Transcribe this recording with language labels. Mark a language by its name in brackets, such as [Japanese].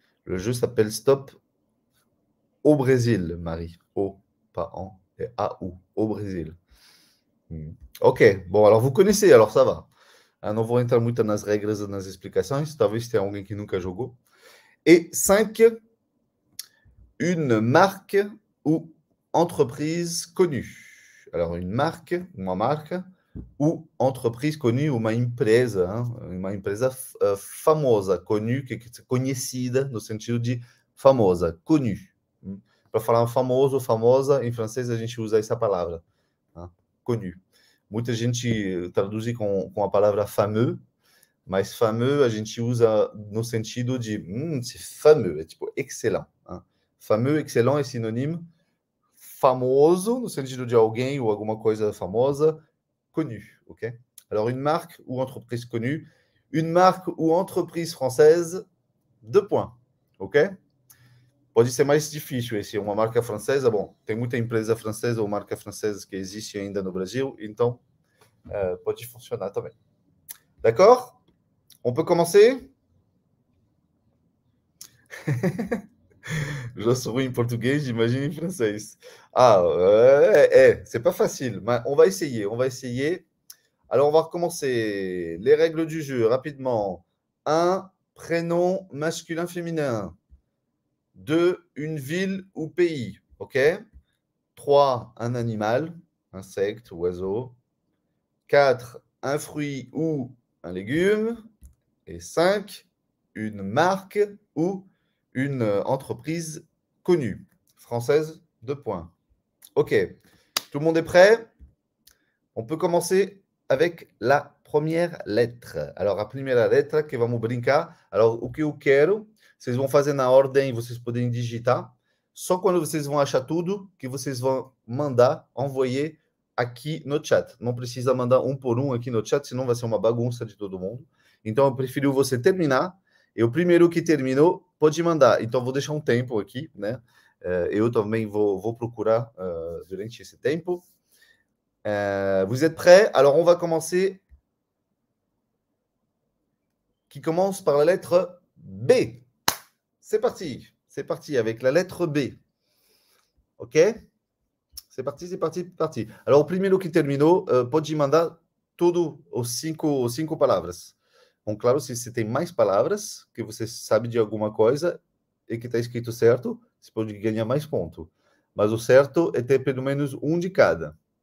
[French] Le jeu s'appelle Stop au Brésil, Marie. O, pas en, et a ou, au Brésil. Ok, bom, alors vous connaissez, alors ça va. [Portuguese] Eu não vou entrar muito nas regras e nas explicações. Talvez tenha alguém que nunca jogou. [French] E 5, une marque ou entreprise connue. Alors, une marque, [Portuguese] uma marca [French] ou entreprise connue, [Portuguese] uma empresa, [French] hein? [Portuguese] Uma empresa famosa, connue, conhecida no sentido de famosa, connue. Para falar famoso, famosa, em francês a gente usa essa palavra. Connu. Muita gente traduz com a palavra fameux, mas fameux a gente usa no sentido de [French] c'est fameux, [Portuguese] é tipo excelente. Fameux, excelente é sinônimo famoso, no sentido de alguém ou alguma coisa famosa, connu, ok? [French] Alors, une marque ou entreprise connue, une marque ou entreprise française, 2 points, ok? [Portuguese] Pode ser mais difícil esse, uma marca francesa. Bom, tem muita empresa francesa ou marca francesa que existe ainda no Brasil, então pode funcionar também. [French] D'accord? On peut commencer? Je suis [Portuguese] ruim em português, imagine em francês. [French] Ah, c'est pas facile, mais on va essayer, on va essayer. Alors, on va recommencer. Les règles du jeu, rapidement. Un prénom masculin, féminin. 2, une ville ou pays. OK? 3, un animal, insecte, oiseau. 4, un fruit ou un légume. Et 5, une marque ou une entreprise connue. Française, 2 points. OK. Tout le monde est prêt? On peut commencer avec la première lettre. Alors, la première lettre [Portuguese] que vamos brincar. [French] Alors, [Portuguese] o que eu quero? Vocês vão fazer na ordem, vocês podem digitar. Só quando vocês vão achar tudo que vocês vão mandar, envoyer aqui no chat. Não precisa mandar um por um aqui no chat, senão vai ser uma bagunça de todo mundo. Então, eu prefiro você terminar. E o primeiro que terminou, pode mandar. Então, eu vou deixar um tempo aqui, né? Eu também vou procurar durante esse tempo. [French] Vous êtes prêts? Alors, on va commencer. Qui commence par la lettre B. C'est parti avec la lettre B. OK? C'est parti, parti. [Portuguese] Alors, primeiro que terminou, pode mandar tudo, os cinco palavras. Bom, claro, se tem mais palavras, que você sabe de alguma coisa e que está escrito certo, você pode ganhar mais ponto. Mas o certo é ter pelo menos um de cada.